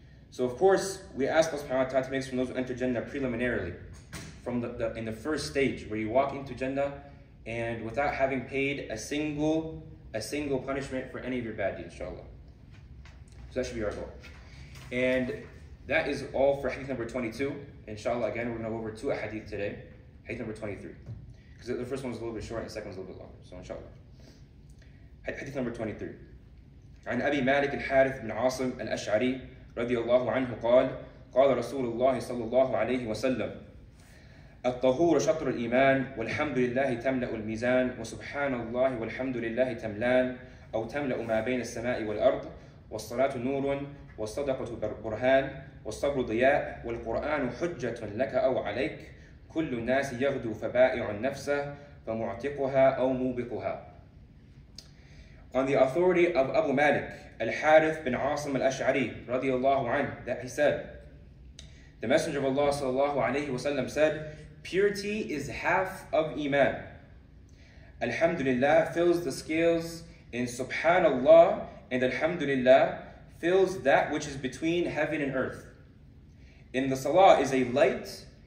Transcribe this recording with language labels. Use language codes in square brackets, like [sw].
[en] So of course, we ask Allah subhanahu wa ta'ala to make us from those who enter Jannah preliminarily, from the first stage, where you walk into Jannah and without having paid a single punishment for any of your bad deeds, inshallah. So that should be our goal. And that is all for hadith number 22. Inshallah, again, we're going to go over two hadith today. Hadith number 23. Because the first one was a little bit short and the second was a little bit longer. So inshallah. Hadith number 23. [ar] عن أبي مالك الحارث بن عاصم الأشعري رضي الله عنه قال قال رسول الله صلى الله عليه وسلم الطهور شطر الإيمان والحمد لله تملأ الميزان وسبحان الله والحمد لله تملان أو تملأ ما بين السماء والأرض والصلاة نور والصدقة برهان والصبر ضياء والقرآن حجة لك أو عليك كل الناس يغدو فبائع نفسه فمعتقها أو موبقها. [en] On the authority of Abu Malik, Al-Harith bin Asim Al-Ash'ari, radiallahu anhu, that he said, the Messenger of Allah sallallahu alayhi wa sallam said, purity is half of Iman. Alhamdulillah fills the scales in Subhanallah, and Alhamdulillah fills that which is between heaven and earth. In the Salah is a light,